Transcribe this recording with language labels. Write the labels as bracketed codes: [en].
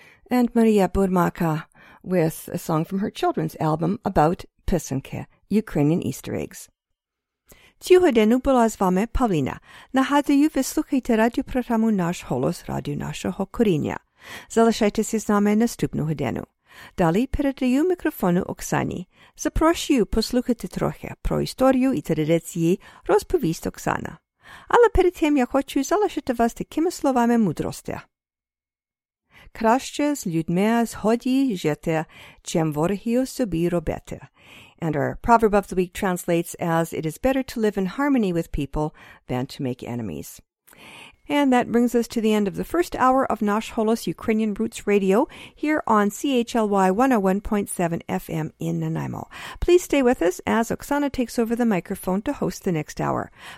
[en] And Maria Burmaka with a song from her children's album about pisanke, Ukrainian Easter eggs. [uk] Цього дня була з вами Павлина. Нагадую, ви слухаєте радіопрограму «Наш голос», радіо нашого коріння. Залишайтеся з нами наступного дня. Далі передаю мікрофону Оксані. Запрошую послухати трохи про історію і традиції, розповість Оксана. Але перед тим я хочу залишити вас такими словами мудрості. Краще з людьми згоді жити, чим ворогів собі робити. [en] And our proverb of the week translates as, it is better to live in harmony with people than to make enemies. And that brings us to the end of the first hour of Nash Holos Ukrainian Roots Radio here on CHLY 101.7 FM in Nanaimo. Please stay with us as Oksana takes over the microphone to host the next hour.